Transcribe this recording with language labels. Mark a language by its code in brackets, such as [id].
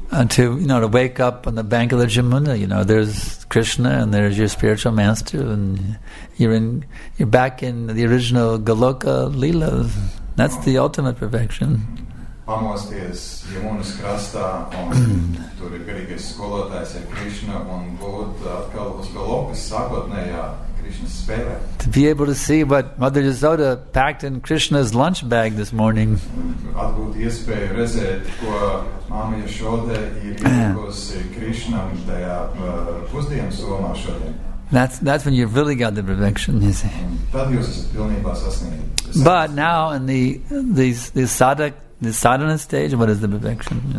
[en] To, you know, to wake up on the bank of the Jamuna, you know, there's Krishna and there's your spiritual master and you're back in the original Goloka Lila. That's the ultimate perfection. [lv] Pamosties Jamunas krastā un tur ir garīgais skolotājs ar Krishna un būt atkal uz Golokas sākotnējā Krishna sfērā. [en] To be able to see what Mother Yasoda packed in Krishna's lunch bag this morning. [lv] Atgūt iespēju redzēt, ko Māma Yasoda ir iepakojusi Krishnam tajā pusdienas somā šodien. [en] That's when you've really got the perfection, you see. But now in the sadhana stage, what is the perfection?